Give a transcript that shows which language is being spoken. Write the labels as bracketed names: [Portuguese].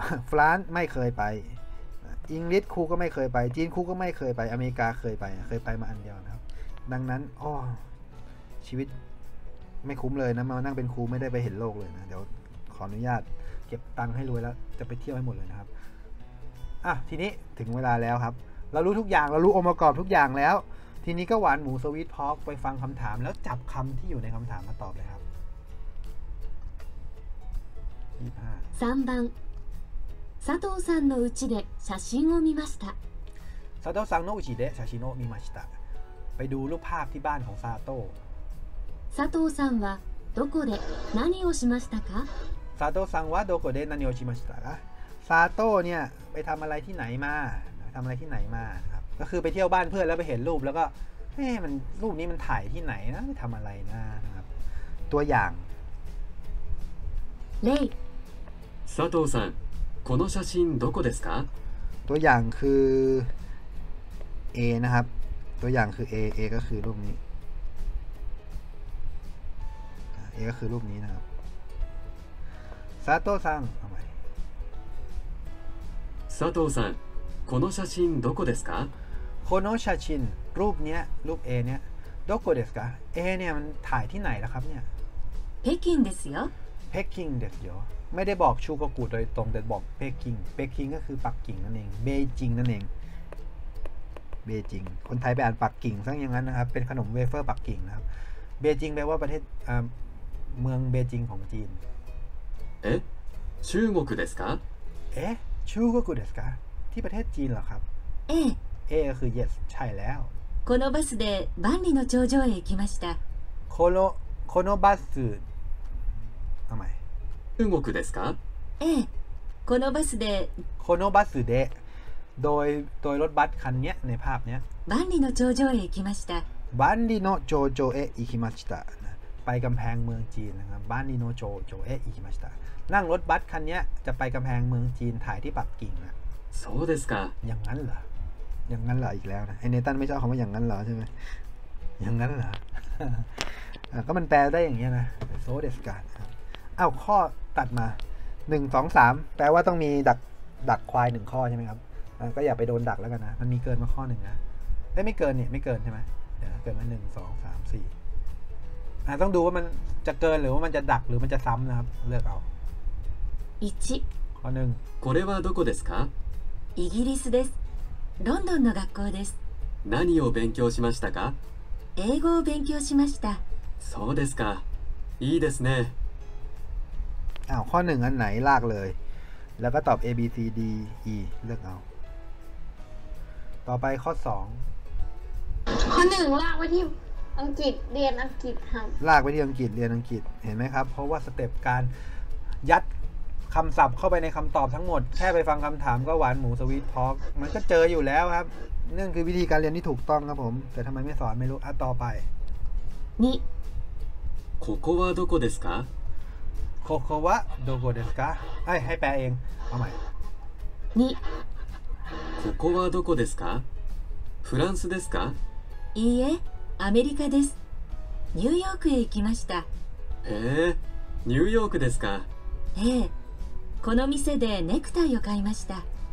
[Thai] ฟรานซ์ไม่เคยไปอังกฤษครูก็ไม่เคยไปจีนครูก็ไม่เคยไปอเมริกาเคยไปมาอันเดียวนะครับดังนั้นชีวิตไม่คุ้มเลยนะมานั่งเป็นครูไม่ได้ไปเห็นโลกเลยนะเดี๋ยวขออนุญาตเก็บตังค์ให้รวยแล้วจะไปเที่ยวให้หมดเลยนะครับอ่ะทีนี้ถึงเวลาแล้วครับเรารู้ทุกอย่างเรารู้องค์ประกอบทุกอย่างแล้วทีนี้ก็หวานหมูสวีทพอร์กไปฟังคำถามแล้วจับคำที่อยู่ในคำถามมาตอบเลยครับ [Japanese] 3番佐藤さんの家で写真を見ました佐藤さんの家で写真を見ました [Thai] ไปดูรูปภาพที่บ้านของซาโต้ [Japanese] 佐藤さんはどこで何をしましたか佐藤さんはどこで何をしましたか [Thai] 佐藤เนี่ยไปทำอะไรที่ไหนมาทำอะไรที่ไหนมาครับก็คือไปเที่ยวบ้านเพื่อนแล้วไปเห็นรูปแล้วก็เฮ้ยมันรูปนี้มันถ่ายที่ไหนนะไปทำอะไรนะครับตัวอย่าง เล่ย [Japanese] 佐藤さんこの写真どこですか [Thai] ตัวอย่างคือ A นะครับตัวอย่างคือ A ก็คือรูปนี้เอก็คือรูปนี้นะครับซาโตซังทำไม [Japanese] ซาโตซังโคโนชาชินどこですか [Thai] โคโนชาชินรูปเนี้ยรูป A เนี้ย [Japanese] どこですか [Thai] A เนี่ยมันถ่ายที่ไหนล่ะครับเนี่ยเ [Japanese] ปกิงですよ [Thai] เปกิงですよไม่ได้บอกชูโกกุโดยตรงแต่บอกเปกิงเปกิงก็คือปักกิ่งนั่นเองเบจิงนั่นเองเบจิงคนไทยไปอ่านปักกิ่งซะอย่างนั้นนะครับเป็นขนมเวเฟอร์ปักกิ่งนะครับเบจิงแปลว่าประเทศเมืองเบจิงของจีน [Japanese] เอ๊ะ中国ですか [Thai] เอ๊ะ [Japanese] 中国ですか [Thai] ที่ประเทศจีนเหรอครับ เอ๊ะ ก็คือ yes ใช่แล้ว [Japanese] このバスで万里の頂上へ行きましたこのバス [Thai] ทำไม [Japanese] 中国ですか เอ๊ะこのバスでこのバスで [Thai] โดยรถบัสคันเนี้ยในภาพเนี้ย [Japanese] 万里の頂上へ行きました万里の頂上へ行きました [Thai] ไปกำแพงเมืองจีนนะครับบ้านนิโนโจโจเออิคิมาชิตะนั่งรถบัสคันนี้จะไปกำแพงเมืองจีนถ่ายที่ปักกิ่งนะ [Japanese] そうですか [Thai] อย่างนั้นเหรออย่างนั้นเหรออีกแล้วนะไอเนตันไม่ชอบคำว่าอย่างนั้นเหรอใช่ไหมอย่างนั้นเหรอก็มันแปลได้อย่างเงี้ยนะ [Japanese] そうですか [Thai] อ้าวข้อตัดมา1 2 3แปลว่าต้องมีดักควาย1ข้อใช่ไหมครับก็อย่าไปโดนดักแล้วกันนะมันมีเกินมาข้อนึงนะได้ไม่เกินเนี่ยไม่เกินใช่ไหมเดี๋ยวเกินมา1 2 3 4ต้องดูว่ามันจะเกินหรือว่ามันจะดักหรือมันจะซ้ำนะครับเลือกเอา 1 ข้อ1 [Japanese] これはどこですかイギリスですロンドンの学校です何を勉強しましたか英語を勉強しましたそうですかいいですね [Thai] ข้อ1อันไหนลากเลยแล้วก็ตอบ A B C D E เลือกเอา ต่อไปข้อ2 ข้อ1ลากไว้ที่อังกฤษเรียนอังกฤษครับลากไว้ที่อังกฤษเรียนอังกฤษเห็นไหมครับเพราะว่าสเต็ปการยัดคำศัพท์เข้าไปในคำตอบทั้งหมดแค่ไปฟังคำถามก็หวานหมูสวีททอล์กมันก็เจออยู่แล้วครับนี่คือวิธีการเรียนที่ถูกต้องครับผมแต่ทำไมไม่สอนไม่รู้อ่ะต่อไป 2 [Japanese] ここはどこですかここはどこですか [Thai] ให้แปลเองเอาใหม่2 [Japanese] ここはどこですかフランスですかいいえアメリカですニューヨークへ行きましたへえニューヨークですかええこの店でネクタイを買いました